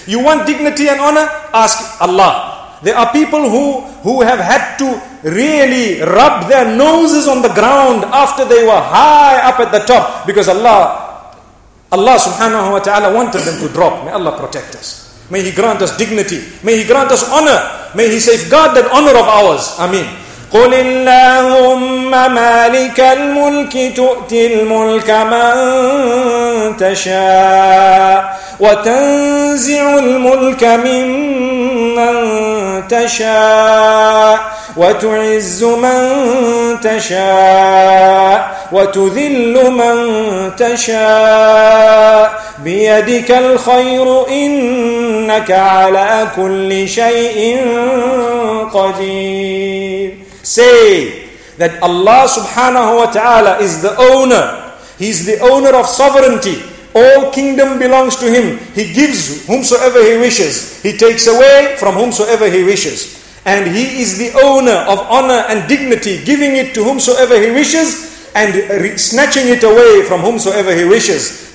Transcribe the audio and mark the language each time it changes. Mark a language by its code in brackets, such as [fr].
[en] You want dignity and honor? Ask Allah. There are people who have had to really rub their noses on the ground after they were high up at the top, because Allah subhanahu wa ta'ala wanted them to drop. May Allah protect us. May He grant us dignity. May He grant us honor. May He safeguard that honor of ours. Ameen. [ar] قل اللهم مالك الملك تؤتي الملك من تشاء وتنزع الملك ممن تشاء وتعز من تشاء وتذل من تشاء بيدك الخير إنك على كل شيء قدير. [en] Say that Allah subhanahu wa ta'ala is the owner. He is the owner of sovereignty. All kingdom belongs to Him. He gives whomsoever He wishes. He takes away from whomsoever He wishes. And He is the owner of honor and dignity, giving it to whomsoever He wishes and snatching it away from whomsoever He wishes.